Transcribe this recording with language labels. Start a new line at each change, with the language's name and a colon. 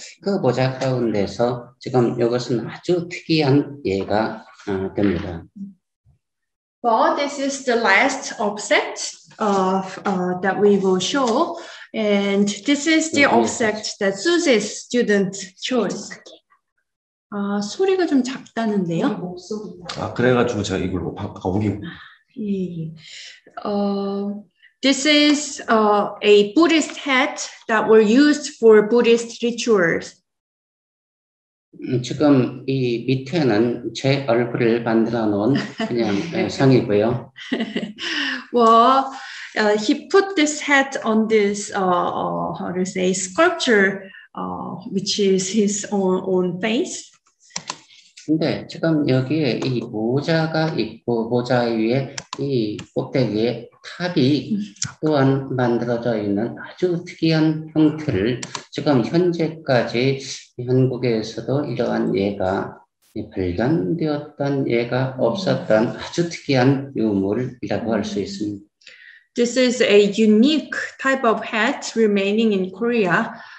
Korean: 그 모자 가운데서 지금 이것은 아주 특이한 예가 됩니다.
English: Well, this is the last object of that we will show, and this is the object that Suzy's student chose.
Korean: 아 소리가 좀 작다는데요? 아 그래가지고 제가 이걸 바꾸기. 예.
English: This is a Buddhist hat that were used for Buddhist rituals.
Korean: 지금 이 밑에는 제 얼굴을 만들어 놓은 그냥 상이고요.
English: Well, he put this hat on this how to say sculpture, which is his own face.
Korean: 근데 지금 여기에 이 모자가 있고 모자 위에 이 꼭대기에 탑이 또한 만들어져 있는 아주 특이한 형태를 지금 현재까지 한국에서도 이러한 예가 발견되었던 예가 없었던 아주 특이한 유물이라고 할 수 있습니다.
English: This is a unique type of hat remaining in Korea.